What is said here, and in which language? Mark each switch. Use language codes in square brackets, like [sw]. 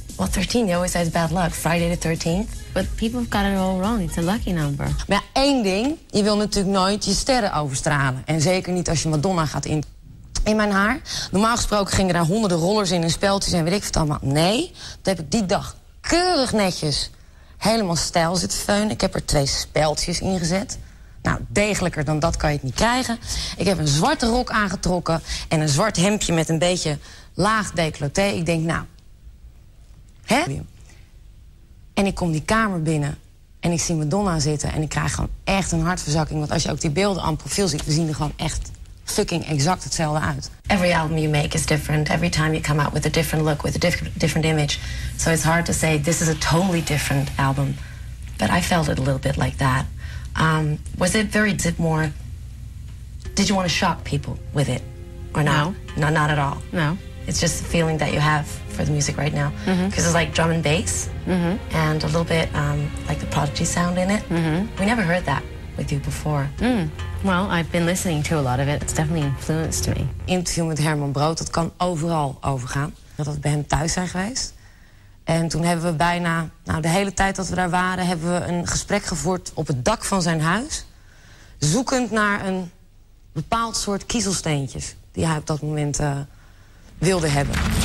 [en] Well, 13, they always say it's bad luck, Friday the 13th. But people have got it all wrong. It's a lucky number. [nl] Maar ja, één ding, je wil natuurlijk nooit je sterren overstralen. En zeker niet als je Madonna gaat in mijn haar. Normaal gesproken gingen daar honderden rollers in en speltjes en weet ik wat allemaal. Nee, dat heb ik die dag keurig netjes helemaal stijl zitten feunen. Ik heb er twee speltjes in gezet. Nou, degelijker dan dat kan je het niet krijgen. Ik heb een zwarte rok aangetrokken en een zwart hemdje met een beetje laag décolleté. Ik denk, nou, hè? En ik kom die kamer binnen en ik zie Madonna zitten en ik krijg gewoon echt een hartverzakking. Want als je ook die beelden aan het profiel ziet, we zien er gewoon echt fucking exact hetzelfde uit. [en] Every album you make is different. Every time you come out with a different look, with a different image. So it's hard to say this is a totally different album. But I felt it a little bit like that. Was it very, is it more, did you want to shock people with it or not? No. No, not at all. No. It's just the feeling that you have for the music right now. Because mm-hmm. it's like drum and bass mm-hmm. and a little bit like the Prodigy sound in it. Mm-hmm. We never heard that with you before. Mm. Well, I've been listening to a lot of it. It's definitely influenced me. [nl] Interview met Herman Brood, dat kan overal overgaan. Dat we bij hem thuis zijn geweest. En toen hebben we bijna, nou, de hele tijd dat we daar waren, hebben we een gesprek gevoerd op het dak van zijn huis. Zoekend naar een bepaald soort kiezelsteentjes die hij op dat moment wilde hebben.